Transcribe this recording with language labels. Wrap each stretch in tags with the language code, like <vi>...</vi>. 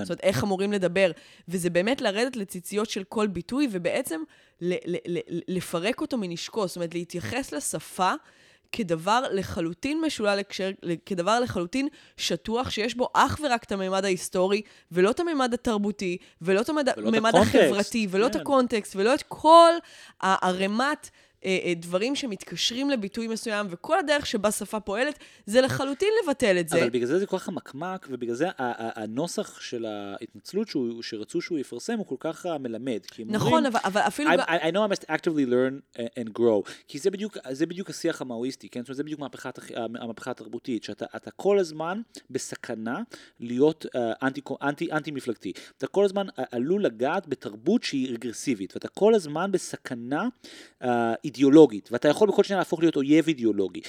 <he>זאת אומרת, איך אמורים לדבר. וזה באמת לרדת לציציות של כל ביטוי, ובעצם לפרק אותו מנשקו, זאת אומרת, להתייחס לשפה כדבר לחלוטין משולל, כדבר לחלוטין שטוח, שיש בו אך ורק את הממד ההיסטורי, ולא את הממד התרבותי, ולא את הממד החברתי, ולא את הקונטקסט, ולא את כל הערמת... דברים שמתקשרים לביטוי מסוים, וכל הדרך שבה שפה פועלת, זה לחלוטין לבטל את זה. אבל בגלל זה כל כך המקמק, ובגלל זה הנוסח של ההתנצלות שרצו שהוא יפרסם, הוא כל כך מלמד. נכון, אבל אפילו...</he> <en>I know I must actively learn and grow.</en> <he>כי זה בדיוק השיח המאויסטי, כן? זאת אומרת, זה בדיוק המהפכה התרבותית, שאתה כל הזמן בסכנה להיות אנטי-מפלגתי. אתה כל הזמן עלול לגעת בתרבות שהיא רגרסיבית, ואתה כל הזמן בסכנה... אידיאולוגית, ואתה יכול בכל שנייה להפוך להיות אויב אידיאולוגי.</he>